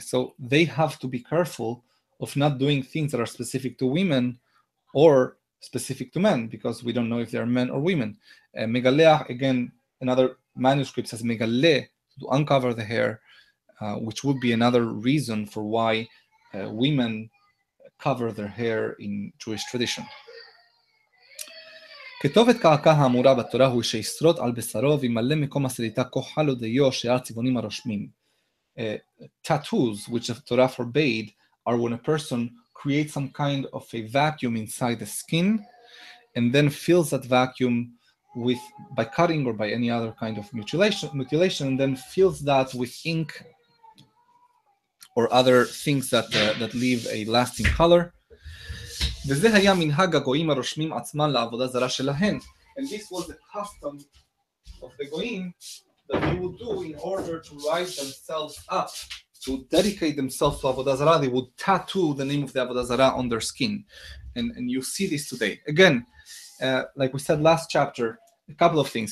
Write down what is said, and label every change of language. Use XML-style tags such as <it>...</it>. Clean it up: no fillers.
<en>So they have to be careful of not doing things that are specific to women or specific to men, because we don't know if they are men or women. Megaleach, again, another manuscript says megale, to uncover the hair, which would be another reason for why women cover their hair in Jewish tradition.</en> <he>כתובת קעקע האמורה בתורה הוא שישרוט על בשרו וימלא מקום הסריטה כוחלו דיו שעל צבעונים הרושמים.</he> <en>Tattoos, which the Torah forbade, are when a person creates some kind of a vacuum inside the skin and then fills that vacuum by cutting or by any other kind of mutilation, and then fills that with ink or other things that leave a lasting color.</en> <he>וזה היה מנהג הגויים הרושמים עצמם לעבודה זרה שלהם.</he> <en>And this was the custom of the goyim that they would do in order to rise themselves up, to dedicate themselves to avodah zarah. They would tattoo the name of the avodah zarah on their skin. And you see this today. Again, like we said last chapter, a couple of things.</en>